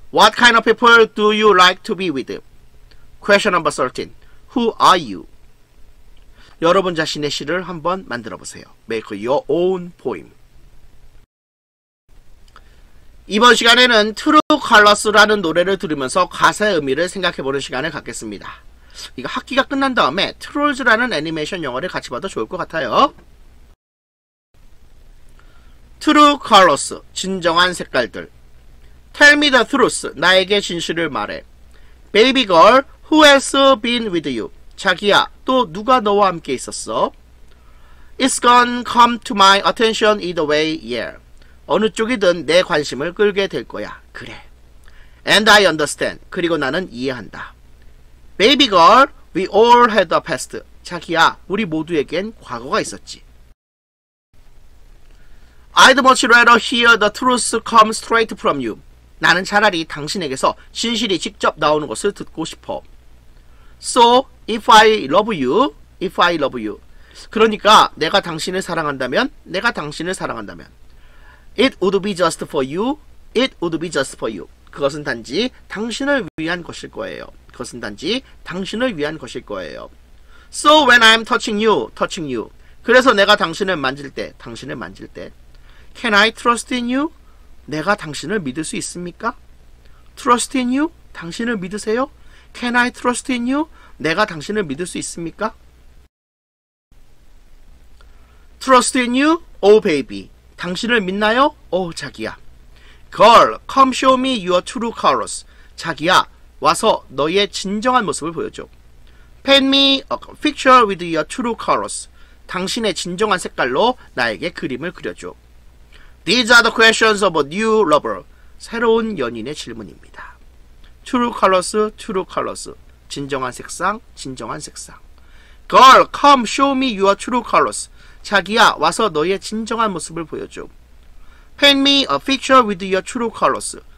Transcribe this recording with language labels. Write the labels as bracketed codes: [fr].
[en] What kind of people do you like to be with? Question number 13. Who are you? [ko] 여러분 자신의 시를 한번 만들어보세요. [en] Make your own poem. [ko] 이번 시간에는 True Colors라는 노래를 들으면서 가사의 의미를 생각해보는 시간을 갖겠습니다. 이거 학기가 끝난 다음에 Trolls라는 애니메이션 영화를 같이 봐도 좋을 것 같아요. [en] True Colors, [ko] 진정한 색깔들. [en] Tell me the truth, [ko] 나에게 진실을 말해. [en] Baby girl, who has been with you? [ko] 자기야, 또 누가 너와 함께 있었어? [en] It's gone come to my attention either way, yeah. [ko] 어느 쪽이든 내 관심을 끌게 될 거야. 그래. [en] And I understand. [ko] 그리고 나는 이해한다. [en] Baby girl, we all had a past. [ko] 자기야, 우리 모두에겐 과거가 있었지. [en] I'd much rather hear the truth come straight from you. [ko] 나는 차라리 당신에게서 진실이 직접 나오는 것을 듣고 싶어. [en] So, if I love you, if I love you. [ko] 그러니까 내가 당신을 사랑한다면, 내가 당신을 사랑한다면. [en] It would be just for you, it would be just for you. [ko] 그것은 단지 당신을 위한 것일 거예요. 그것은 단지 당신을 위한 것일 거예요. [en] So, when I'm touching you. [ko] 그래서 내가 당신을 만질 때, 당신을 만질 때. [en] Can I trust in you? [ko] 내가 당신을 믿을 수 있습니까? [en] Trust in you? [ko] 당신을 믿으세요? [en] Can I trust in you? [ko] 내가 당신을 믿을 수 있습니까? [en] Trust in you? Oh, baby. [ko] 당신을 믿나요? [en] Oh, [ko] 자기야. [en] Girl, come show me your true colors. [ko] 자기야, 와서 너의 진정한 모습을 보여줘. [en] Paint me a picture with your true colors. [ko] 당신의 진정한 색깔로 나에게 그림을 그려줘. [en] These are the questions of a new lover. [ko] 새로운 연인의 질문입니다. [en] True colors, true colors. [ko] 진정한 색상, 진정한 색상. [en] Girl, come show me your true colors. [ko] 자기야, 와서 너의 진정한 모습을 보여줘. [en] Paint me a picture with your true colors.